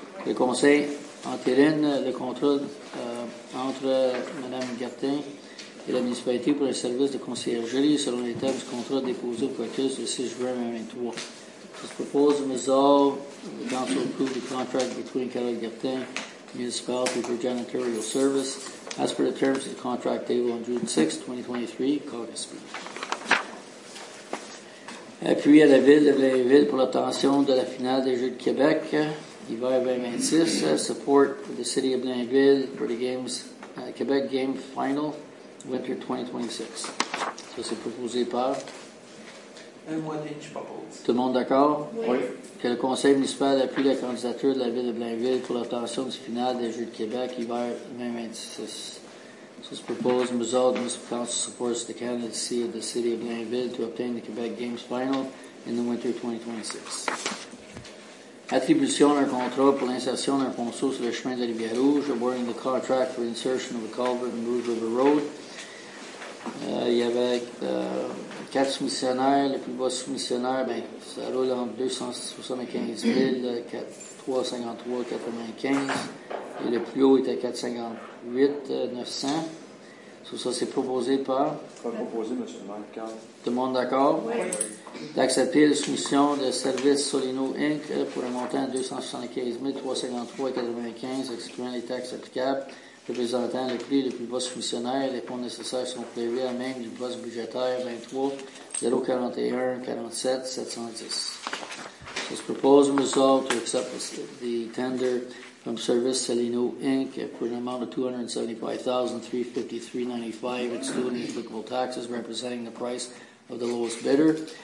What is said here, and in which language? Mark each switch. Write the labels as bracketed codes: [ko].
[fr] Le conseil entérine le contrat entre Mme Gertin et la municipalité pour les services de conciergerie selon les termes du contrat déposé au caucus le 6 juin 2023. Ça se propose de résoudre le [en] council approve [fr] du contrat entre Carole Gertin et la municipalité pour [en] janitorial service. As per the terms of the contract table on June 6, 2023, caucus speech. [fr] Appui à la ville de Blainville pour l'obtention de la finale des Jeux de Québec, hiver 2026. [en] Support for the city of Blainville for the games, Quebec game final, winter 2026. [fr] Ça, c'est proposé par. Un mois d'inch propose. Tout le monde d'accord? Oui. Que le conseil municipal appuie la candidature de la ville de Blainville pour l'obtention du final des Jeux de Québec hiver 2026. [en] So it's proposed and resolved the municipal council supports the candidacy of the city of Blainville to obtain the Quebec Games final in the winter 2026. [fr] Attribution d'un contrat pour l'insertion d'un ponceau sur le chemin de la Rivière-Rouge, [en] awarding the contract for insertion of a culvert in Rouge River Road. [fr] Il y avait quatre soumissionnaires. Le plus bas soumissionnaire, ben, ça roule entre 275 000, 353,95. Et le plus haut était 458,900. Tout ça, c'est proposé par. Proposé, M. le maire, Carl. Tout le monde d'accord? Oui. D'accepter la soumission de Service Solino Inc. pour un montant de 275,353,95, excluant les taxes applicables. Représentant le prix le plus bas soumissionnaire, les fonds nécessaires sont prévus à même du poste budgétaire 23-041-47-710. [en] So it's proposed and resolved to accept the tender from Service Salino Inc. for an amount of $275,353.95, excluding applicable taxes, representing the price of the lowest bidder.